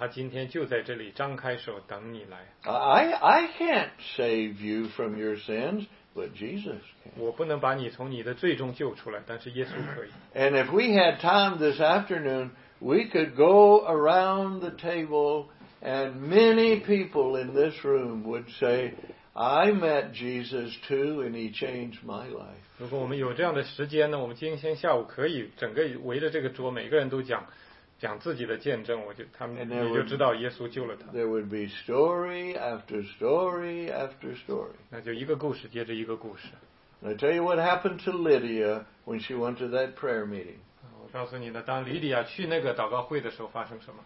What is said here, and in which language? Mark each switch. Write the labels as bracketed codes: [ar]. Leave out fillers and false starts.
[zh] 只要你愿意寻求他，你就知道呢，他今天就在这里张开手等你来。 [en] I can't save you from your sins, but Jesus can. [zh] 我不能把你从你的罪中救出来，但是耶稣可以。 [en] And if we had time this afternoon, we could go around the table and many people in this room would say, I met Jesus too, and he changed my life. [zh] 如果我们有这样的时间呢，我们今天下午可以整个围着这个桌，每个人都讲自己的见证，你就知道耶稣救了他。 [en] There would be story after story after story. [zh] 那就一个故事接着一个故事。 [en] I tell you what happened to Lydia when she went to that prayer meeting. [zh] 我告诉你呢，当吕底亚去那个祷告会的时候发生什么。